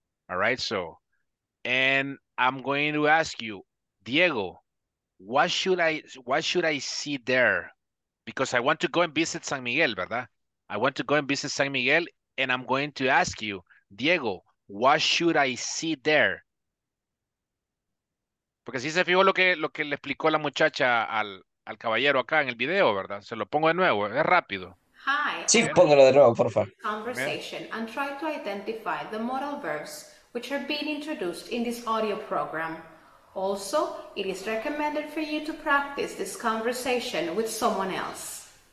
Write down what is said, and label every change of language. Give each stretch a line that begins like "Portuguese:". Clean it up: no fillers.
English: All right, so, and I'm going to ask you, Diego, what should I see there? Because I want to go and visit San Miguel, ¿verdad? I want to go and visit San Miguel, and I'm going to ask you, Diego, what should I see there?
Spanish: Porque si se fijó lo que le explicó la muchacha al caballero acá en el video, ¿verdad? Se lo pongo de nuevo, es rápido. Hi. Sí, póngalo de nuevo, por favor.
English: Conversation and try to identify the modal verbs which are being introduced in this audio program. Also, it is recommended for you to practice this conversation with someone else.